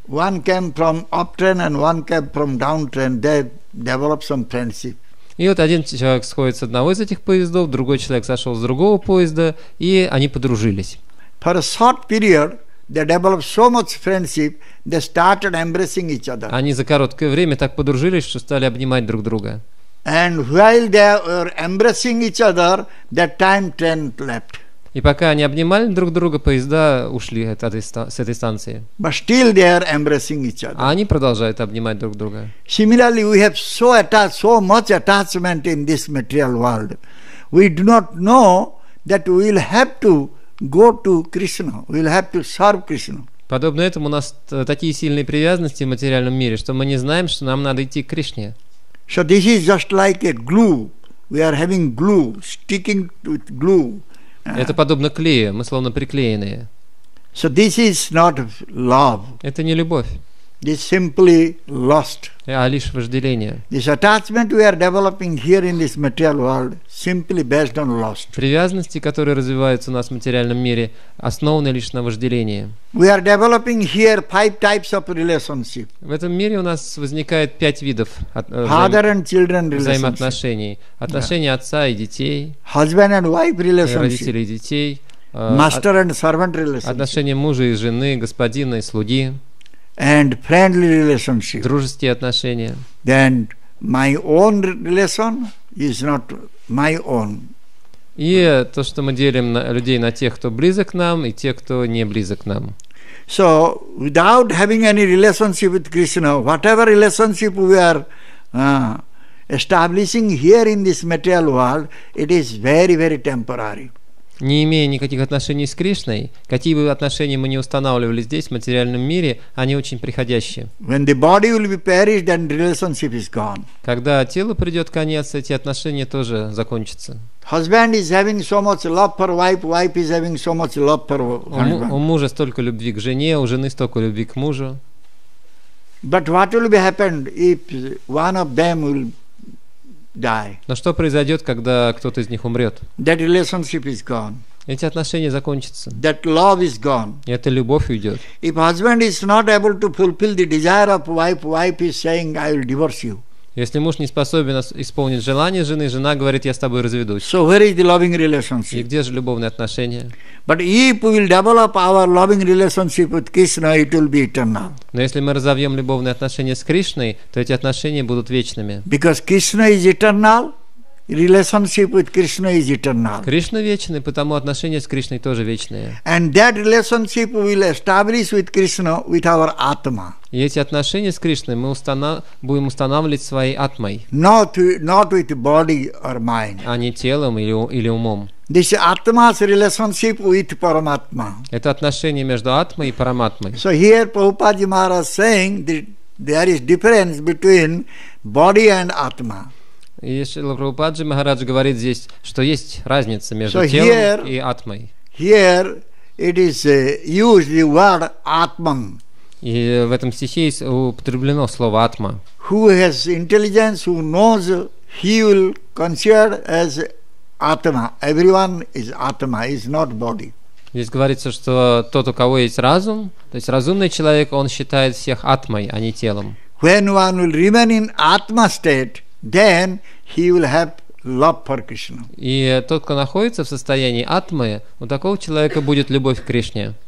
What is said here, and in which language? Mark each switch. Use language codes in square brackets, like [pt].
[en] One came from up train and one came from down train. They developed some friendship. [ru] И вот один человек сходит с одного из этих поездов, другой человек сошел с другого поезда, и они подружились. [en] For a short period, they developed so much friendship, they started embracing each other. [ru] Они за короткое время так подружились, что стали обнимать друг друга. [en] And while they were embracing each other, that time train left. [ru] И пока они обнимали друг друга, поезда ушли с этой станции. [en] But still they are embracing each other. [ru] А они продолжают обнимать друг друга. [en] Similarly, we have so attached, so much attachment in this material world. We do not know that we will have to go to Krishna. We will have to serve Krishna. [ru] Подобно этому у нас такие сильные привязанности в материальном мире, что мы не знаем, что нам надо идти к Кришне. [en] So this is just like a glue. We are having glue, sticking with glue. [ru] Это подобно клею, мы словно приклеенные. [en] So this is not love. [ru] Это не любовь. [en] This simply lust. [ru] А лишь вожделение. [en] This attachment we are developing here in this material world simply based on lust. [ru] Привязанности, которые развиваются у нас в материальном мире, основаны лишь на вожделении. [en] We are developing here five types of relationship. [ru] В этом мире у нас возникает пять видов взаимоотношений. Отношения отца и детей. [en] Husband and wife relationship. [ru] Родителей и детей. [en] Master and servant relationship. [ru] Отношения мужа и жены, господина и слуги. [en] And friendly relationship. [ru] Дружеские отношения. [en] Then my own relation is not my own. [ru] И то, что мы делим на людей на тех, кто близок к нам, и тех, кто не близок к нам. [en] So without having any relationship with Krishna, whatever relationship we are establishing here in this material world, it is very, very temporary. [ru] Не имея никаких отношений с Кришной, какие бы отношения мы ни устанавливали здесь, в материальном мире, они очень приходящие. [en] When the body will be perished, then relationship is gone. [ru] Когда телу придет конец, эти отношения тоже закончатся. [en] Husband is having so much love for wife, wife is having so much love for husband. [ru] У мужа столько любви к жене, у жены столько любви к мужу. [en] But what will be happened if one of them will die. [ru] Но что произойдет, когда кто-то из них умрет? [en] That relationship is gone. [ru] Эти отношения закончатся. [en] That love is gone. [ru] И эта любовь уйдет. [en] If husband is not able to fulfill the desire of wife, wife is saying, I will divorce you. [ru] Если муж не способен исполнить желание жены, жена говорит: я с тобой разведусь. [en] So where is the loving relationship? [ru] И где же любовные отношения? [en] But if we will develop our loving relationship with Krishna, it will be eternal. [ru] Но если мы разовьем любовные отношения с Кришной, то эти отношения будут вечными. [en] Because Krishna is eternal, relationship with Krishna is eternal. [ru] Кришна вечен, потому отношения с Кришной тоже вечные. [en] And that relationship will establish with Krishna with our atma. [ru] И эти отношения с Кришной мы будем устанавливать своей атмой. [en] Not with body or mind. [ru] А не телом или умом. [en] This atma's relationship with Paramatma. [ru] Это отношение между атмой и параматмой. [en] So here Prabhupada Maharaj saying that there is difference between body and atma. [ru] И Шрила Прабхупаджи Махарадж говорит здесь, что есть разница между телом и атмой. [en] Here it is used the word atman. [ru] И в этом стихе употреблено слово атма. [en] Who has intelligence, who knows, he will consider as atma. Everyone is atma, is not body. [ru] Здесь говорится, что тот, у кого есть разум, то есть разумный человек, он считает всех атмой, а не телом. [en] When one will remain in atma state, then he will have love for Krishna. [ru] И тот, кто находится в состоянии атмы, у такого человека будет любовь к Кришне.